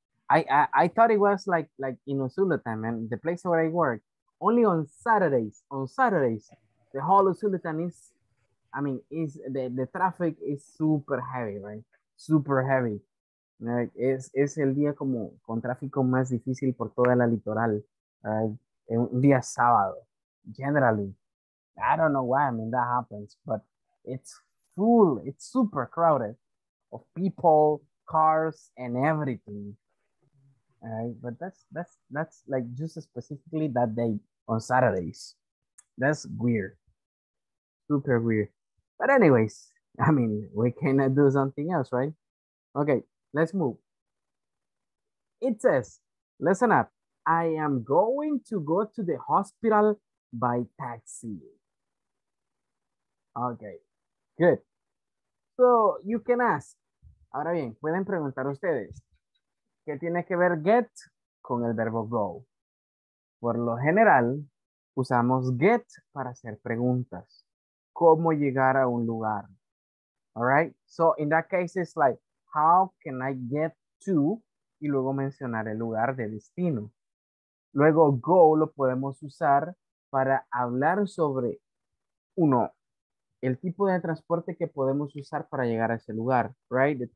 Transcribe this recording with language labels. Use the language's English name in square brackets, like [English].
[English] I thought it was like in Usulutan, man, the place where I work. Only on Saturdays. On Saturdays, the whole Usulutan is the traffic is super heavy, right? Super heavy. [Spanish] Es el día como con tráfico más difícil por toda la litoral, un día sábado, generally. [English] I don't know why, I mean, that happens, but it's full, it's super crowded of people, cars, and everything. But that's like just specifically that day on Saturdays. That's weird, super weird. But anyways, I mean, we cannot do something else, right? Okay. Let's move. It says, listen up. I am going to go to the hospital by taxi. Okay, good. So you can ask. [Spanish] Ahora bien, pueden preguntar ustedes. ¿Qué tiene que ver get con el verbo go? Por lo general, usamos get para hacer preguntas. ¿Cómo llegar a un lugar? [English] All right? So in that case, it's like, how can I get to? [Spanish] Y luego mencionar el lugar de destino. Luego, go lo podemos usar para hablar sobre, uno, el tipo de transporte que podemos usar para llegar a ese lugar, right?